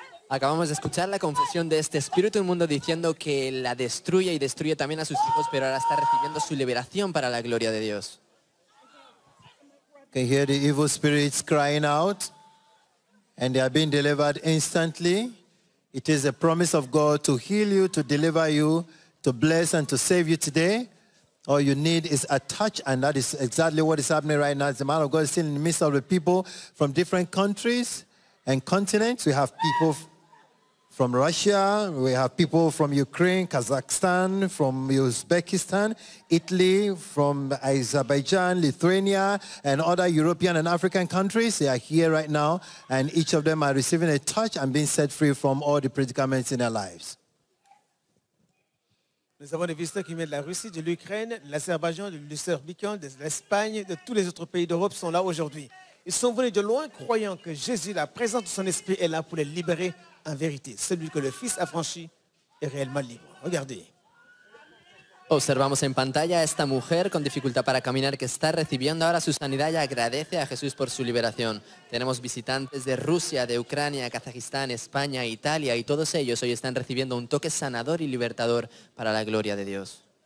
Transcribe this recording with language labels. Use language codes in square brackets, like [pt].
[es] Acabamos de escuchar la confesión de este espíritu inmundo diciendo que la destruye y destruye también a sus hijos, pero ahora está recibiendo su liberación para la gloria de Dios. [en] Can hear the evil spirits crying out, and they are being delivered instantly. It is a promise of God to heal you, to deliver you, to bless and to save you today. All you need is a touch, and that is exactly what is happening right now. The man of God is still in the midst of the people from different countries and continents. We have people from Russia, we have people from Ukraine, Kazakhstan, from Uzbekistan, Italy, from Azerbaijan, Lithuania, and other European and African countries. They are here right now, and each of them are receiving a touch and being set free from all the predicaments in their lives. [fr] Nous avons des visiteurs qui viennent de la Russie, de l'Ukraine, de l'Azerbaïdjan, de l'Uzbekistan, de l'Espagne, de tous les autres pays d'Europe sont là aujourd'hui. Ils sont venus de loin, croyant que Jésus, la présence de son esprit, est là pour les libérer. En vérité, celui que le Fils a franchi est réellement libre. Regardez. [es] Observamos en pantalla a esta mujer con dificultad para caminar que está recibiendo ahora su sanidad y agradece a Jesús por su liberación. Tenemos visitantes de Rusia, de Ucrania, Kazajistán, España, Italia y todos ellos hoy están recibiendo un toque sanador y libertador para la gloria de Dios.